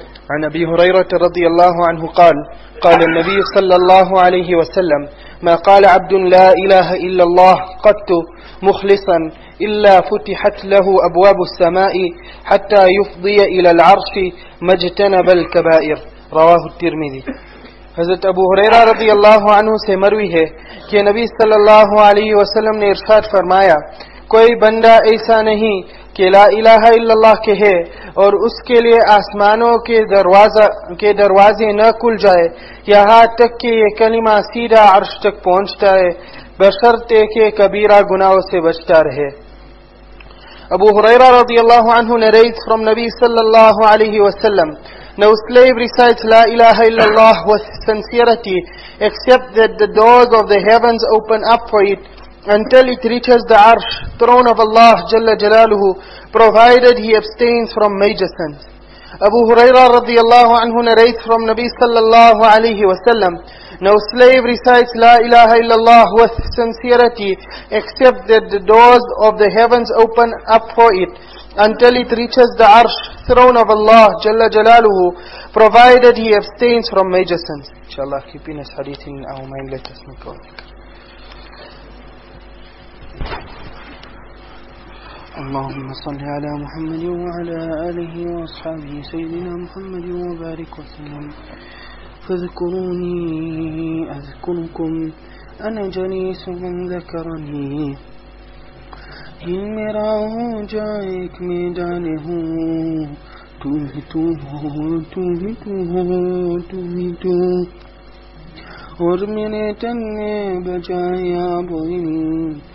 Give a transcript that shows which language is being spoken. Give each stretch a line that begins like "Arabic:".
Arabic: عن أبي هريرة رضي الله عنه قال قال النبي صلى الله عليه وسلم ما قال عبد لا إله إلا الله قط مخلصا إلا فتحت له أبواب السماء حتى يفضي إلى العرش ما اجتنب الكبائر. رواه الترمذي.
Urdu: حضرت ابو هريرة رضي الله عنه سے مروی ہے کہ نبی صلى الله عليه وسلم نے ارشاد فرمایا کوئی بندہ ایسا نہیں کہ لا الہ الا اللہ کہے اور اس کے لئے آسمانوں کے دروازے نہ کھل جائے یہاں تک کہ یہ کلمہ سیدھا عرش تک پہنچتا ہے بشرطے کہ کبیرہ گناہوں سے بچتا رہے. ابو ہریرہ رضی اللہ عنہ نے روایت فرم نبی صلی اللہ علیہ وسلم
English: No slave recites La ilaha illallah with sincerity, except that the doors of the heavens open up for it until it reaches the arsh, throne of Allah Jalla Jalaluhu, provided he abstains from major sins. Abu Huraira radiallahu anhu narrates from Nabi sallallahu alayhi wa sallam, no slave recites La ilaha illallah with sincerity, except that the doors of the heavens open up for it until it reaches the arsh, throne of Allah Jalla Jalaluhu, provided he abstains from major sins. Inshallah, keeping us hadith in our mind, let us make all dhikr.
Arabic: اللهم صل على محمد وعلى آله وأصحابه سيدنا محمد وبارك وسلم. فاذكروني أذكركم، أنا جليس من ذكرني. المرا جايك ميدانه تو اور میرے تن میں بجایا بوئنی